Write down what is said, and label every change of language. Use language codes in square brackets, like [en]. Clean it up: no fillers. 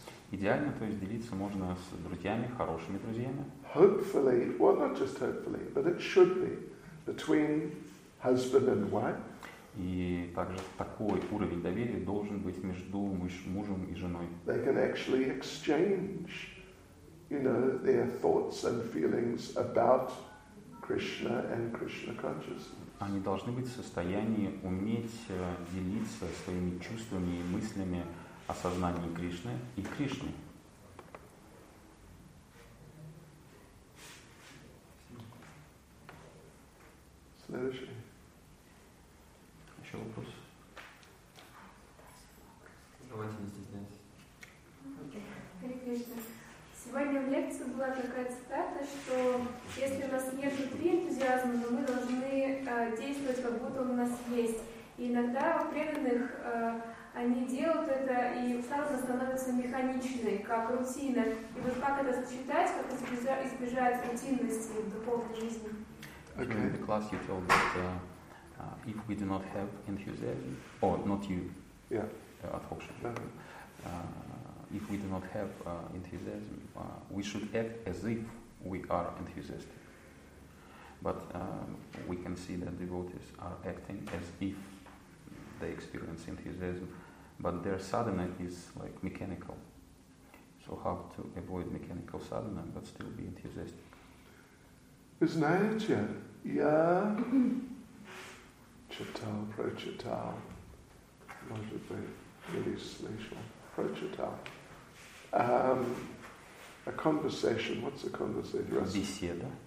[ru] Идеально, то есть делиться можно с друзьями, хорошими друзьями. [en] Hopefully, well, not just hopefully, but it should be between husband and wife. [ru] И также такой уровень доверия должен быть между мужем и женой. [en] They can actually exchange, their thoughts and feelings about Krishna and Krishna consciousness. [ru] Они должны быть в состоянии уметь делиться своими чувствами и мыслями о сознании Кришны и Кришны. Следующий. Еще вопрос? Давайте не стесняйтесь. Сегодня в лекции была такая цитата, что если у нас нет внутри энтузиазма, то мы должны действовать, как будто он у нас есть. И иногда у преданных они делают это, и сразу становится механичной, как рутина. И вот как это сочетать, как избежать рутинности в духовной жизни? [en] Okay. In the class you told that If we do not have enthusiasm, or not you, unfortunately, if we do not have enthusiasm, we should act as if we are enthusiastic. But we can see that devotees are acting as if they experience enthusiasm, but their sadhana is like mechanical. So how to avoid mechanical sadhana but still be enthusiastic? [ru] Знаете, я читал, прочитал, может быть, или слышал, прочитал. [en] A conversation, what's a conversation? [ru] Беседа.